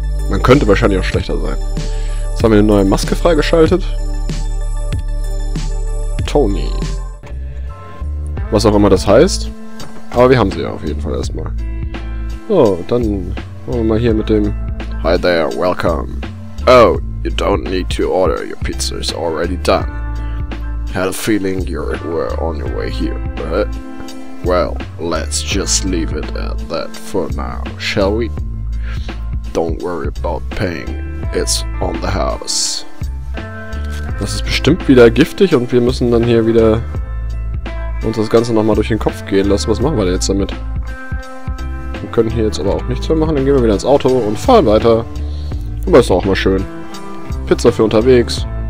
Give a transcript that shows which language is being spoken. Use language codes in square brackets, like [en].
[de] Man könnte wahrscheinlich auch schlechter sein. Jetzt haben wir eine neue Maske freigeschaltet. Tony. Was auch immer das heißt. Aber wir haben sie ja auf jeden Fall erstmal. So, dann wollen wir mal hier mit dem... [en] Hi there, welcome. Oh, you don't need to order, your pizza is already done. Had a feeling you were on your way here, but... Well, let's just leave it at that for now, shall we? Don't worry about paying, it's on the house. [de] Das ist bestimmt wieder giftig und wir müssen dann hier wieder... uns das Ganze nochmal durch den Kopf gehen lassen. Was machen wir denn jetzt damit? Wir können hier jetzt aber auch nichts mehr machen. Dann gehen wir wieder ins Auto und fahren weiter. Aber ist auch mal schön. Pizza für unterwegs.